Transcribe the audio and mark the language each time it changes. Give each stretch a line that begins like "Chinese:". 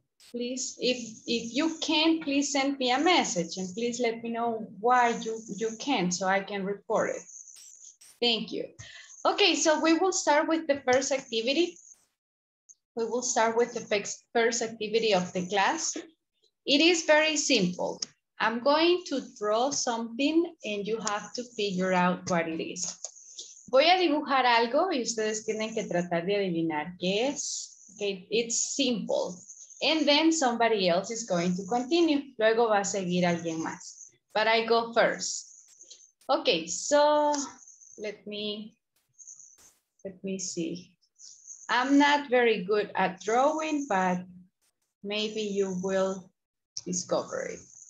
English: Please, if you can, please send me a message and please let me know why you can't so I can report it. Thank you. Okay, so we will start with the first activity. We will start with the first activity of the class. It is very simple. I'm going to draw something and you have to figure out what it is.
Spanish: Voy a dibujar algo y ustedes tienen que tratar de adivinar qué es.
English: Okay, it's simple. And then somebody else is going to continue.
Spanish: Luego va a seguir alguien más.
English: But I go first. Okay, so let me see. I'm not very good at drawing, but maybe you will discover it.